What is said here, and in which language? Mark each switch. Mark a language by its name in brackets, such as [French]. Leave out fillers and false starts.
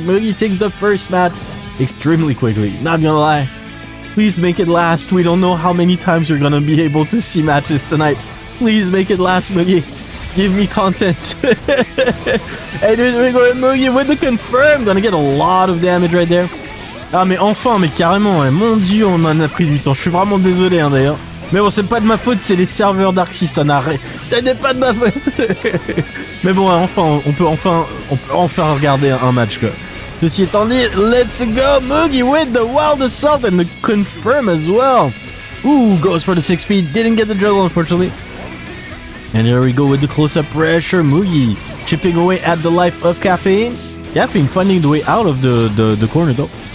[English] Mugi takes the first match extremely quickly. Not gonna lie. Please make it last. We don't know how many times you're going to be able to see matches tonight. Please make it last, Mugi. Give me content. And here we go, Mugi with the confirm. Going to get a lot of damage right there. [French] Ah, mais enfin, mais carrément. Hein. Mon dieu, on en a pris du temps. Je suis vraiment désolé, hein, d'ailleurs. Mais bon, c'est pas de ma faute. C'est les serveurs d'Arxis. Ça n'est pas de ma faute. Mais bon, enfin, on peut enfin regarder un match, quoi. Ceci étant dit, [English] let's go, Mugi with the Wild Assault and the Confirm as well. Ooh, goes for the 6-speed, didn't get the juggle, unfortunately. And here we go with the close-up pressure, Mugi chipping away at the life of Caffeine. Caffeine finding the way out of the corner, though.